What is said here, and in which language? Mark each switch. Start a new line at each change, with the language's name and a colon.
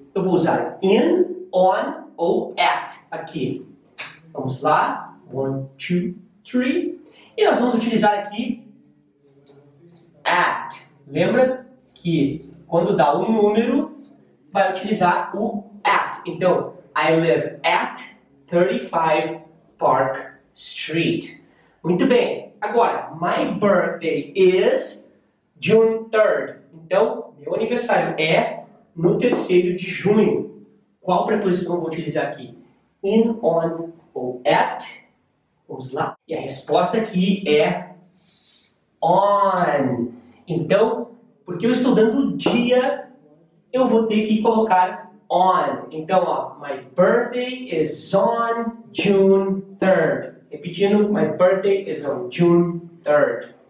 Portuguese: Eu vou usar in, on ou at aqui. Vamos lá, 1, 2, 3. E nós vamos utilizar aqui at. Lembra que quando dá um número, vai utilizar o at. Então,
English: I live at 35 Park Street.
Portuguese: Muito bem. Agora,
English: my birthday is June 3rd.
Portuguese: Então, meu aniversário é no terceiro de junho. Qual preposição vou utilizar aqui? In, on ou at? Vamos lá. E a resposta aqui é on. Então, porque eu estou dando dia, eu vou ter que colocar on. Então, ó,
English: my birthday is on June 3rd.
Portuguese: Repetindo,
English: my birthday is on June 3rd.